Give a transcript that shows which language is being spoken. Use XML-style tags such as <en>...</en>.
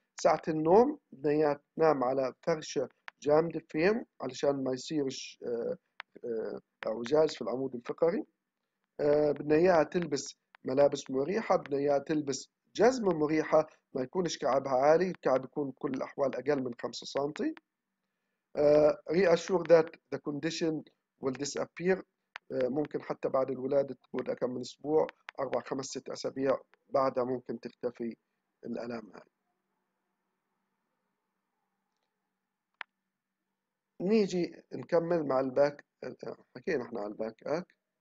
<ar>ساعه النوم بدنا اياها تنام على فرشه جامد فيم علشان ما يصيرش اعوجاج في العمود الفقري. بدنا اياها تلبس ملابس مريحه، بدنا اياها تلبس جزمه مريحه ما يكونش كعبها عالي، الكعب يكون بكل الاحوال اقل من 5 سم.</ar> <en>Reassure that the condition will disappear.</en> <ar>ممكن حتى بعد الولادة تقول كم من أسبوع، أربع خمس ست أسابيع بعدها ممكن تختفي الألام هاي. نيجي نكمل مع الباك، حكينا احنا على الباك أك.</ar>